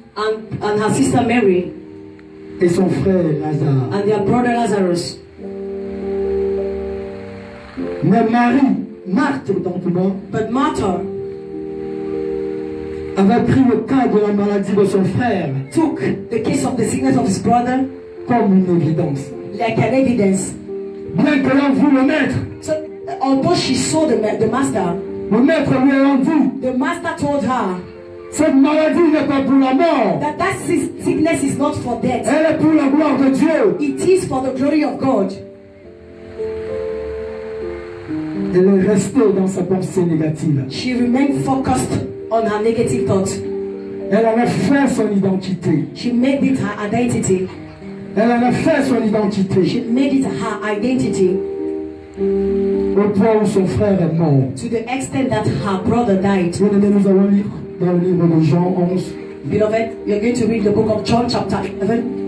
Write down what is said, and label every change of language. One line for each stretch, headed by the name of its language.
English: And her sister Mary.
French: Et son frère Lazare.
English: And their brother Lazarus.
French: Mais Marie, Marthe, dans le monde,
English: but Martha
French: avait pris le cas de la maladie de son frère.
English: Took the case of the sickness of his brother.
French: Comme une évidence.
English: Like an evidence.
French: Bien que l'on voulait le maître.
English: So, although she saw the master.
French: Le maître lui a dit.
English: The master told her.
French: Cette maladie n'est pas pour la mort.
English: That sickness is not for death.
French: Elle est pour la gloire de Dieu.
English: It is for the glory of God.
French: Elle est restée dans sa pensée négative.
English: She remained focused on her negative thought.
French: Elle en a fait son identité.
English: She made it her identity.
French: Elle en a fait son identité.
English: She made it her identity.
French: Au point où son frère est mort.
English: To the extent that her brother died.
French: Bien aimé, nous allons lire dans le livre de Jean 11.
English: Beloved, you're going to read the book of John chapter 11.